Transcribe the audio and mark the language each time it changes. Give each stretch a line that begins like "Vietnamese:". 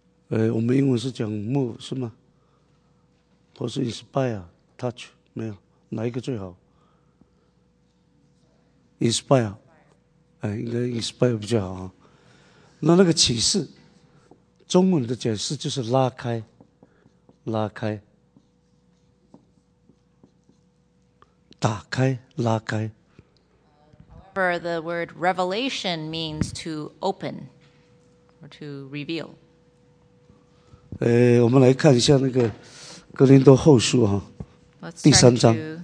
Chinese: 我们英文是讲 move 是吗？不是 inspire touch 没有哪一个最好 ？inspire， 应该 inspire 比较好。那个启示，中文的解释就是拉开，打开，拉开。
English: However, the word revelation means to open or to reveal.
Chinese: 我们来看一下那个《哥林多后书》哈，第三章。